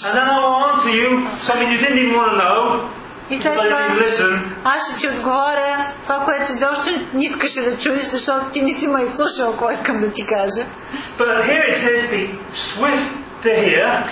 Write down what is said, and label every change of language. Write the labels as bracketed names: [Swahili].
[English] And then I'll answer you something you didn't even want to know. [Bulgarian] И след това аз ще ти отговоря това, което изобщо не искаше да чуеш, защото ти не си ме изслушал, какво искам да ти кажа. [English] But here it says be swift to hear.